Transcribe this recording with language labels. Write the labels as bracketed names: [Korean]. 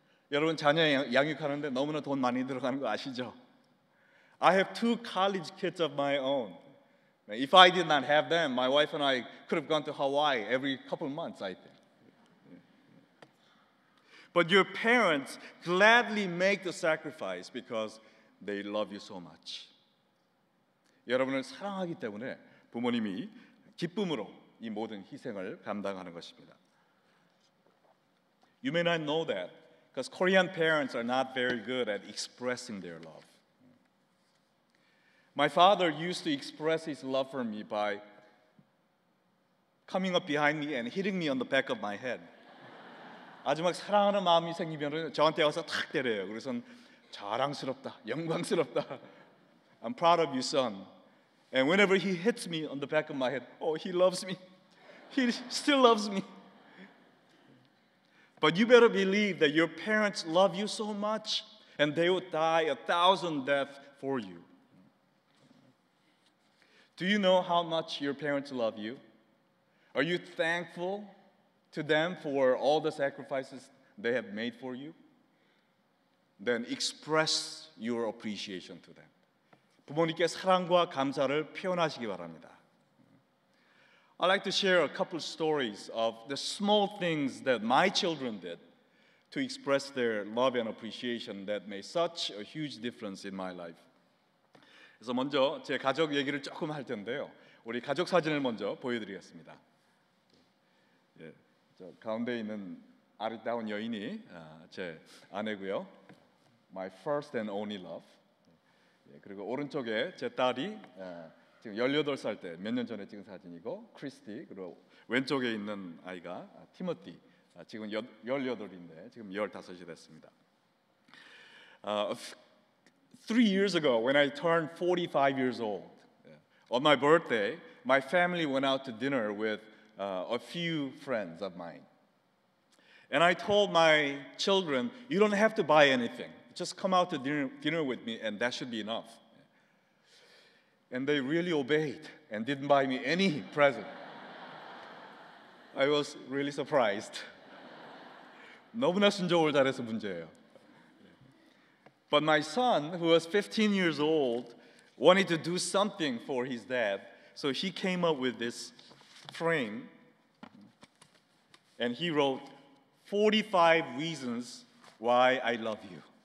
[Korean] 여러분, 자녀 양육하는데 너무나 돈 많이 들어가는 거 아시죠? [English] I have two college kids of my own. If I did not have them, my wife and I could have gone to Hawaii every couple months, I think. But your parents gladly make the sacrifice because they love you so much. [Korean] 여러분을 사랑하기 때문에 부모님이 기쁨으로 이 모든 희생을 감당하는 것입니다. [English] You may not know that because Korean parents are not very good at expressing their love. My father used to express his love for me by coming up behind me and hitting me on the back of my head. [Korean] 아주 막 사랑하는 마음이 생기면 저한테 와서 탁 때려요. 그래서 자랑스럽다, 영광스럽다. [English] I'm proud of you, son. And whenever he hits me on the back of my head, oh, he loves me. He still loves me. But you better believe that your parents love you so much and they would die a thousand deaths for you. Do you know how much your parents love you? Are you thankful to them for all the sacrifices they have made for you? Then express your appreciation to them. [Korean] 부모님께 사랑과 감사를 표현하시기 바랍니다. [English] I'd like to share a couple stories of the small things that my children did to express their love and appreciation that made such a huge difference in my life. [Korean] 그래서 먼저 제 가족 얘기를 조금 할 텐데요. 우리 가족 사진을 먼저 보여드리겠습니다. 예, 저 가운데 있는 아름다운 여인이 제 아내고요. [English] My first and only love. [Korean] 예, 그리고 오른쪽에 제 딸이 지금 18살 때 몇 년 전에 찍은 사진이고 크리스티, 그리고 왼쪽에 있는 아이가 티모티, 지금 18인데 지금 15이 됐습니다. [English] Three years ago, when I turned 45 years old, on my birthday, my family went out to dinner with a few friends of mine. And I told my children, you don't have to buy anything. Just come out to dinner with me and that should be enough. And they really obeyed and didn't buy me any present. I was really surprised. [Korean] 너무나 순종을 잘해서 문제예요. [English] But my son, who was 15 years old, wanted to do something for his dad. So he came up with this frame. And he wrote 45 reasons why I love you.